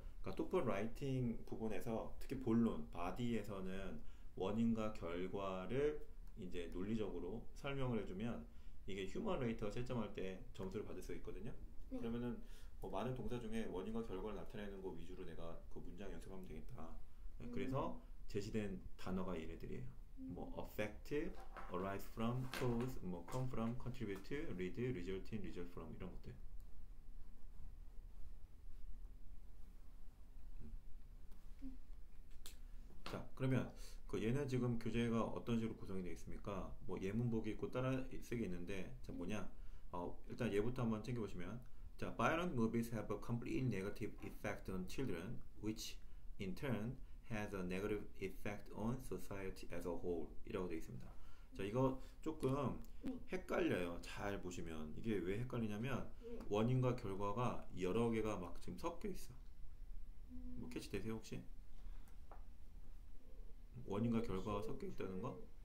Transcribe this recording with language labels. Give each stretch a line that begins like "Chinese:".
Korean: 그러니까 토플 라이팅 부분에서 특히 본론, 바디에서는 원인과 결과를 이제 논리적으로 설명을 해주면 이게 휴먼 레이터가 채점할 때 점수를 받을 수 있거든요. 그러면은 많은 동사 중에 원인과 결과를 나타내는 거 위주로 내가 그 문장 연습하면 되겠다. 그래서 제시된 단어가 얘네들이에요.
English: 뭐 affect, arise from, cause, 뭐 come from, contribute, lead, result in, result from
Korean: 이런 것들. 자, 그러면 그 얘는 지금 교재가 어떤 식으로 구성이 되어 있습니까? 뭐 예문 보기 있고 따라 쓰기 있는데, 자 뭐냐? 일단 얘부터 한번 챙겨 보시면, 자,
English: violent movies have a complete negative effect on children, which in turn has a negative effect on society as a whole
Korean: 이라고 되어 있습니다. 자, 이거 조금 헷갈려요. 잘 보시면 이게 왜 헷갈리냐면 원인과 결과가 여러 개가 막 지금 섞여 있어. 뭐 캐치 되세요 혹시? 원인과 결과가 섞여 있다는 거?